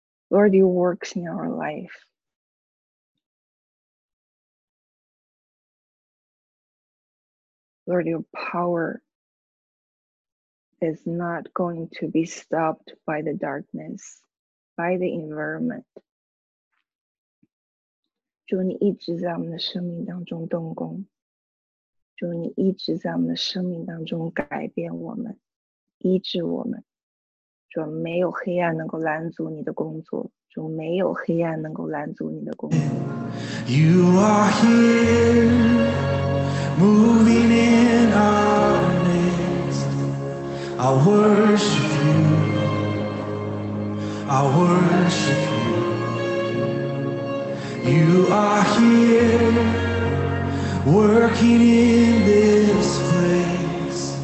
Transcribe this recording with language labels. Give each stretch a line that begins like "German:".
English: Lord, he works in our life. Lord, your power is not going to be stopped by the darkness, by the environment.
Chinese: 主，你一直在我们的生命当中动工。主，你一直在我们的生命当中改变我们，医治我们。主，没有黑暗能够拦阻你的工作。主，没有黑暗能够拦阻你的工作。
English: You are here. Moving in our midst, I worship you, I worship you, You are here, working in this place.